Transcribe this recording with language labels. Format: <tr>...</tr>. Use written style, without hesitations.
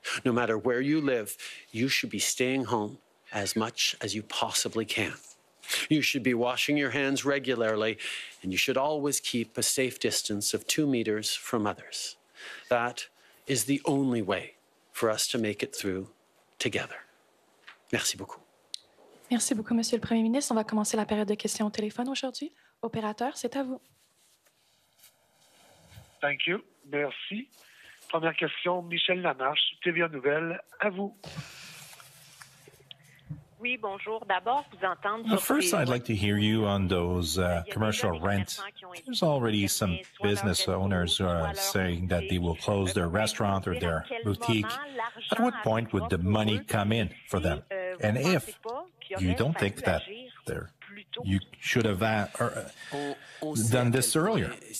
<en>No matter where you live, you should be staying home as much as you possibly can. You should be washing your hands regularly, and you should always keep a safe distance of 2 meters from others. That is the only way for us to make it through together.</en> <fr>Merci beaucoup. Merci beaucoup, Monsieur le Premier ministre. On va commencer la période de questions au téléphone aujourd'hui. Opérateur, c'est à vous.</fr> <en>Thank you.</en> <fr>Merci. Première question, Michel Lamarche, TVA Nouvelle, à vous. Oui, bonjour. D'abord, vous entendre.</fr> <en>Well, first, I'd like to hear you on those commercial rents. There's already some business owners saying that they will close their restaurant or their boutique. At what point would the money come in for them? And if you don't think that they're you should have done this earlier.</en>